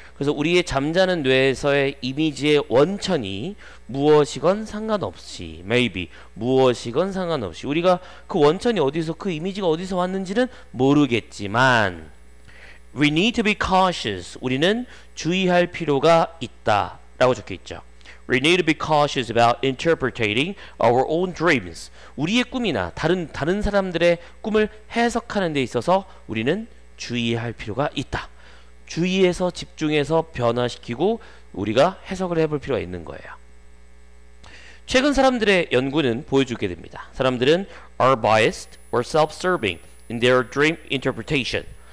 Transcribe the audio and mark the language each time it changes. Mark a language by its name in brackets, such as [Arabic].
[Korean] 그래서 우리의 잠자는 뇌에서의 이미지의 원천이 무엇이건 상관없이, maybe, 무엇이건 상관없이, 우리가 그 원천이 어디서, 그 이미지가 어디서 왔는지는 모르겠지만, [English] we need to be cautious. [Korean] 우리는 주의할 필요가 있다. 라고 적혀 있죠. [English] We need to be cautious about interpreting our own dreams. [Korean] 우리의 꿈이나 다른 사람들의 꿈을 해석하는 데 있어서 우리는 주의할 필요가 있다. 주의해서 집중해서 변화시키고 우리가 해석을 해볼 필요가 있는 거예요. 최근 사람들의 연구는 보여주게 됩니다. 사람들은 [English] are biased or self-serving in their dream interpretation.